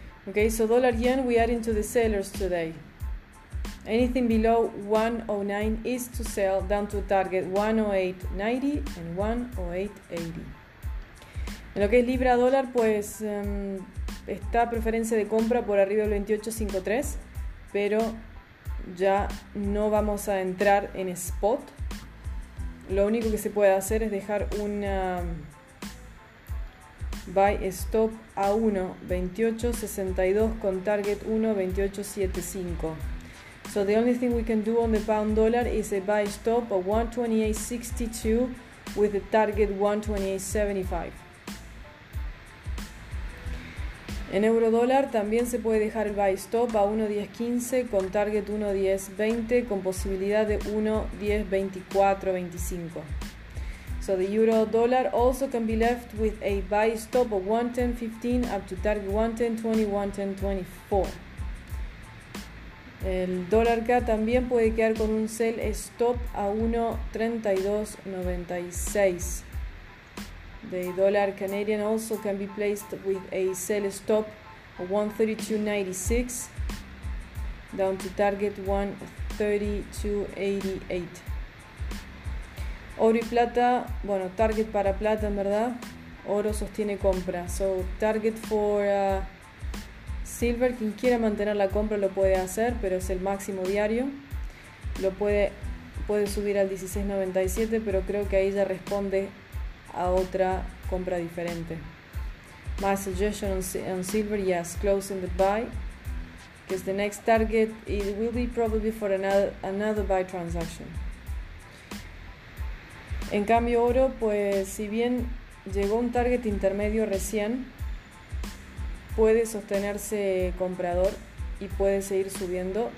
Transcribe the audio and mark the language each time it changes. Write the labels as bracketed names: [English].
[English] Okay, so dollar yen we add into the sellers today. Anything below 109 is to sell down to target 108.90 and 108.80. [Spanish] En lo que es libra dólar, pues está preferencia de compra por arriba del 28.53, pero ya no vamos a entrar en spot. Lo único que se puede hacer es dejar una buy stop a 1.2862 con target 1.2875. [English] So the only thing we can do on the pound dollar is a buy stop of 1.2862 with the target 1.2875. [Spanish] En euro dólar también se puede dejar el buy stop a 1.1015 con target 1.1020 con posibilidad de 1.1024-25. [English] So the euro dollar also can be left with a buy stop of 1.1015 up to target 1.1020-1.1024. [Spanish] El dólar CAD también puede quedar con un sell stop a 1.3296. [English] The dollar Canadian also can be placed with a sell stop of 1.3296 down to target 1.3288. [Spanish] Oro y plata, bueno, target para plata, en verdad. Oro sostiene compra. [English] So, target for silver, [Spanish] quien quiera mantener la compra lo puede hacer, pero es el máximo diario. Lo puede subir al 16.97, pero creo que ahí ya responde a otra compra diferente. [English] My suggestion on silver, yes, closing the buy, because the next target it will be probably for another buy transaction. [Spanish] En cambio oro, pues si bien llegó un target intermedio recién, puede sostenerse comprador y puede seguir subiendo.